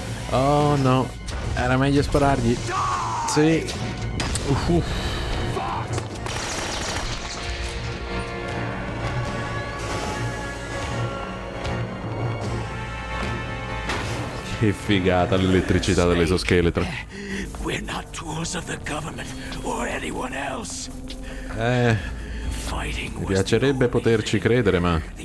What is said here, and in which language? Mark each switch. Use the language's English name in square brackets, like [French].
[Italian] Oh no. Era meglio sparargli. Sì. Che figata l'elettricità dell'esoscheletro. [English] We're not tools of the government or anyone else. [Italian] Mi piacerebbe poterci credere, ma.